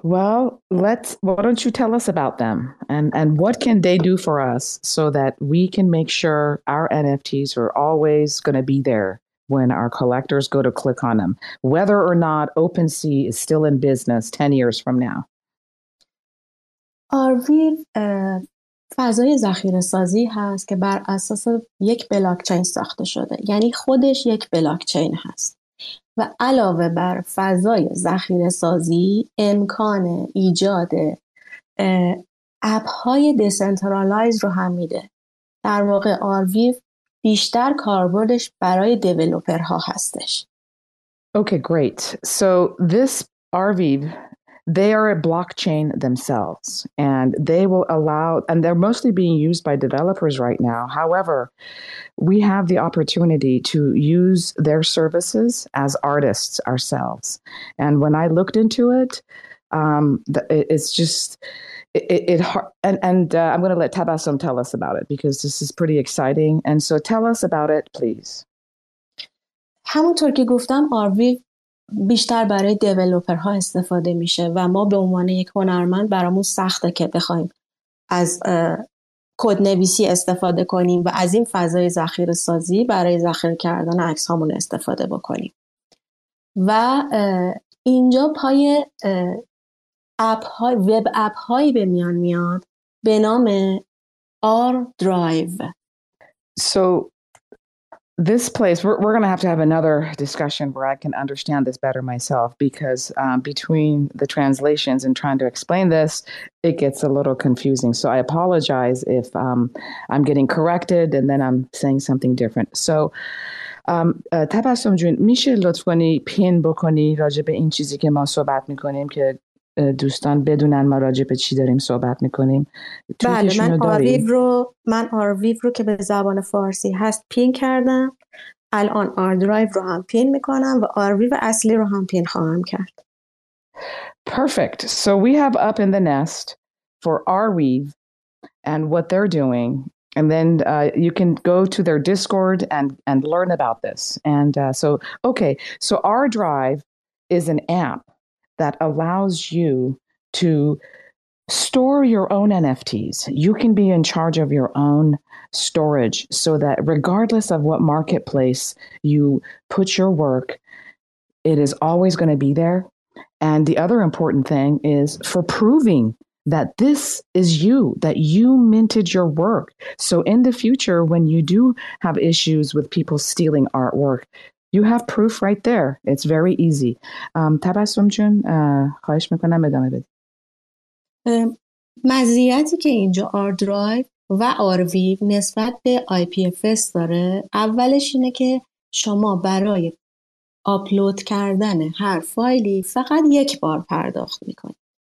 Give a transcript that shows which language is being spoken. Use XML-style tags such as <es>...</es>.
<en>Well, why don't you tell us about them and what can they do for us so that we can make sure our NFTs are always going to be there when our collectors go to click on them, whether or not OpenSea is still in business 10 years from now.</en> <fa>آرویر فضای ذخیره سازی هست که بر اساس یک بلاکچین ساخته شده، یعنی خودش یک بلاکچین هست و علاوه بر فضای ذخیره سازی امکان ایجاد اپ‌های دسنترالایز رو هم میده. در واقع آرویر بیشتر کاربردش برای دیولپرها هستش.</fa> <en>Okay, great. So this Arweave, they are a blockchain themselves, and they will allow, and they're mostly being used by developers right now. However, we have the opportunity to use their services as artists ourselves. And when I looked into it, I'm going to let Tabassum tell us about it because this is pretty exciting. And so tell us about it, please.</en> <fa>همونطور که گفتم آروی بیشتر برای دیولوپر ها استفاده میشه و ما به عنوان یک هنرمند برامون سخته که بخوایم از کد نویسی استفاده کنیم و از این فضای ذخیره سازی برای ذخیره کردن عکس هامون استفاده بکنیم. و اینجا پای اپ های وب اپ هایی به میان میاد به نام آر درایو.</fa> <en>So this place, we're going to have another discussion where I can understand this better myself, because between the translations and trying to explain this, it gets a little confusing. So I apologize if I'm getting corrected and then I'm saying something different. So</en> <fa>تبسم جون میشه لطف کنی پین بکنی راجع به این چیزی که ما صحبت میکنیم که دوستان بدونن ما راجع به چی داریم صحبت میکنیم. بله، من آرویو رو که به زبان فارسی هست پین کردم. الان آر درایو رو هم پین میکنم و آرویو اصلی رو هم پین خواهم کرد.</fa> <en>Perfect. So we have up in the nest for Arweave and what they're doing. And then you can go to their Discord and learn about this. And so R Drive is an app that allows you to store your own NFTs. You can be in charge of your own storage so that regardless of what marketplace you put your work, it is always going to be there. And the other important thing is for proving that this is you, that you minted your work. So in the future, when you do have issues with people stealing artwork, you have proof right there. It's very easy.</en> <fa>تبسم جون خواهش میکنم ادامه بدید. مزیتی که اینجا آر درایو و آر ویو نسبت به IPFS داره، اولش اینه که شما برای آپلود کردن هر فایلی فقط یک بار پرداخت میکنید.</fa>